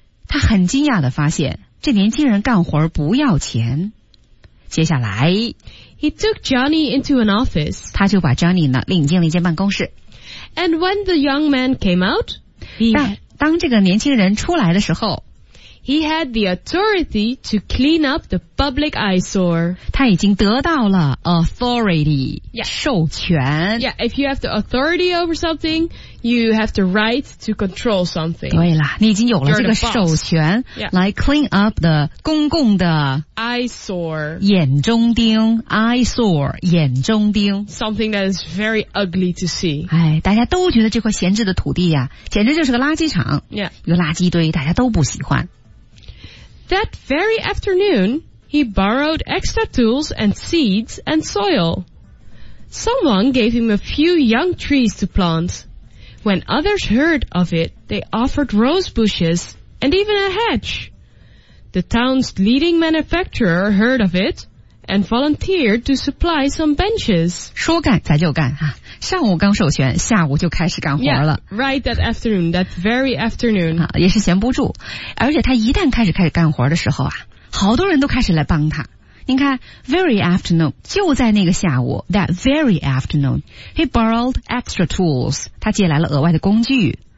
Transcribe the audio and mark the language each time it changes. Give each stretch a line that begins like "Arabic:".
Chinese: 他很惊讶地发现这年轻人干活不要钱。接下来
English: He took Johnny into an office，
Chinese: 他就把 Johnny 呢领进了一间办公室。
English: And when the young man came out，
Chinese: 当这个年轻人出来的时候，
English: He had the authority to clean up the public eyesore.
Chinese: 他已经得到了 authority,、
English: yeah.
Chinese: 授权。
English: Yeah, if you have the authority over something, you have the right to control something.
Chinese: 对啦，你已经有了这个授权、
English: yeah.
Chinese: 来
English: clean up the
Chinese: 公共的
English: eyesore,
Chinese: 眼中钉 ,eyesore, 眼中钉。
English: Something that is very ugly to see.
Chinese: 哎，大家都觉得这块闲置的土地啊，简直就是个垃圾场。
English: Yeah.
Chinese: 一个垃圾堆，大家都不喜欢。
English: That very afternoon, he borrowed extra tools and seeds and soil. Someone gave him a few young trees to plant. When others heard of it, they offered rose bushes and even a hedge. The town's leading manufacturer heard of it and volunteered to supply some benches.
Chinese: 说干咱就干啊！上午刚授权，下午就开始干活了。
English: Yeah, right that afternoon, that very afternoon.
Chinese: 啊，也是闲不住。而且他一旦开始干活的时候啊，好多人都开始来帮他。您看
English: ,very afternoon,
Chinese: 就在那个下午
English: ,that very afternoon, he borrowed extra tools,
Chinese: 他借来了额外的工具。